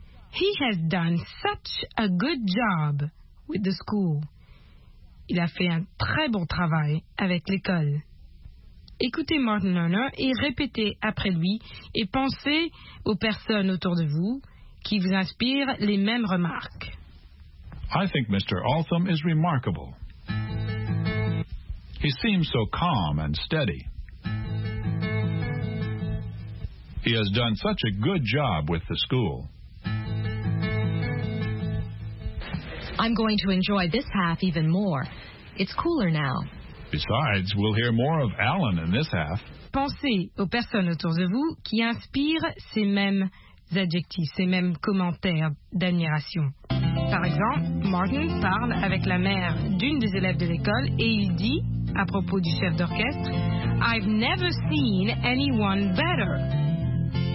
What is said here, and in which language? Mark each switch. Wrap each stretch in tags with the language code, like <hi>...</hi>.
<en>He has done such a good job with the school.</en> <fr>Il a fait un très bon travail avec l'école. Écoutez Martin Lerner et répétez après lui et pensez aux personnes autour de vous qui vous inspirent les mêmes remarques.</fr> <en>I think Mr. Altham is remarkable. He seems so calm and steady. He has done such a good job with the school. I'm going to enjoy this half even more. It's cooler now. Besides, we'll hear more of Alan in this half.</en> <fr>Pensez aux personnes autour de vous qui inspirent ces mêmes adjectifs, ces mêmes commentaires d'admiration. Par exemple, Martin parle avec la mère d'une des élèves de l'école et il dit, à propos du chef d'orchestre,</fr> <en>« I've never seen anyone better. »</en>